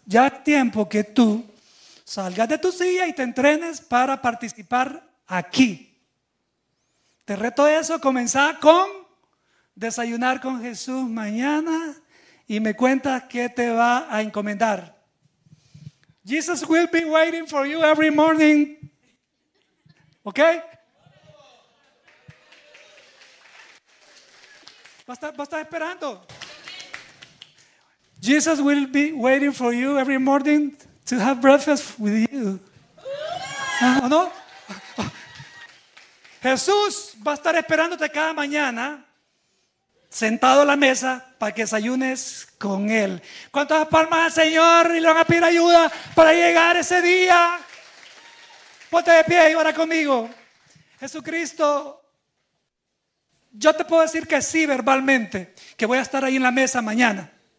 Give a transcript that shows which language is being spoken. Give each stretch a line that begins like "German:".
Spanish: Ya es tiempo que tú salgas de tu silla y te entrenes para participar aquí. Te reto eso, comenzá con desayunar con Jesús mañana y me cuentas qué te va a encomendar.
English: Jesus will be waiting for you every morning. ¿Ok?
Spanish: Va a estar esperando.
English: Jesus will be waiting for you every morning to have breakfast with you.
Spanish: ¿O no? Jesús va a estar esperándote cada mañana sentado a la mesa para que desayunes con Él. ¿Cuántas palmas al Señor y le van a pedir ayuda para llegar ese día? Ponte de pie y ora conmigo. Jesucristo, yo te puedo decir que sí verbalmente, que voy a estar ahí en la mesa mañana.